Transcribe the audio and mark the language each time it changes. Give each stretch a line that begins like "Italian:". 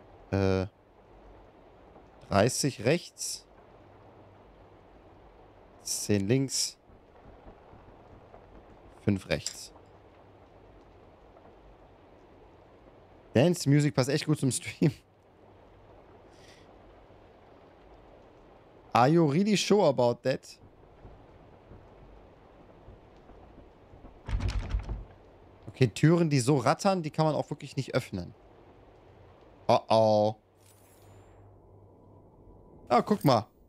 German: Äh, 30 rechts, 10 links, 5 rechts. Dance Music passt echt gut zum Stream.
English: Are you really sure about that?
German: Okay, Türen, die so rattern, die kann man auch wirklich nicht öffnen. Oh oh. Ah, guck mal.